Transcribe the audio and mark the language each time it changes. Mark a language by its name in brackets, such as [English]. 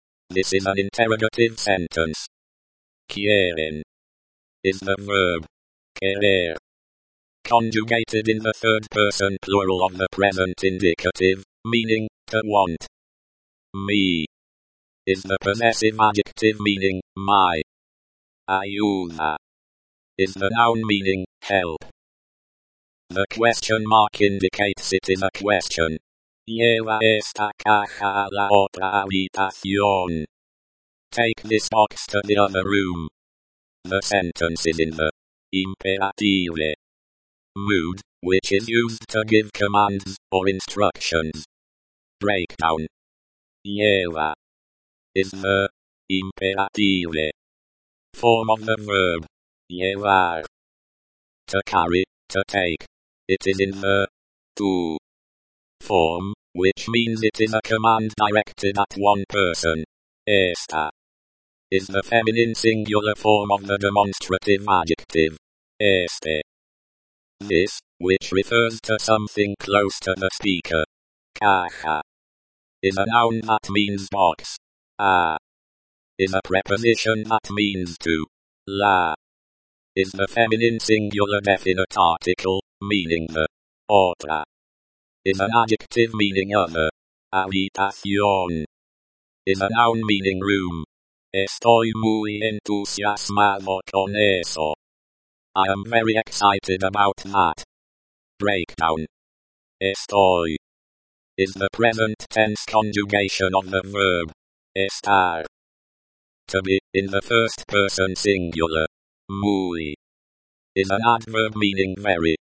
[English] This is an interrogative sentence. Quieren is the verb querer, conjugated in the third person plural of the present indicative, meaning to want. Mi is the possessive adjective meaning my. Ayuda is the noun meaning help. The question mark indicates it is a question. [Spanish] Lleva esta caja a la otra habitación. [English] Take this box to the other room. The sentence is in the imperative. mood, which is used to give commands or instructions. Breakdown. Lleva is the imperative form of the verb llevar. To carry, to take. It is in the to form, which means it is a command directed at one person. Esta is the feminine singular form of the demonstrative adjective. Este. This, which refers to something close to the speaker. Caja is a noun that means box. A is a preposition that means to. La is the feminine singular definite article, meaning the. Otra is an adjective meaning other. Habitación is a noun meaning room. [Spanish] Estoy muy entusiasmado con eso. [English] I am very excited about that. Breakdown. Estoy is the present tense conjugation of the verb estar. To be, in the first person singular. Muy is an adverb meaning very.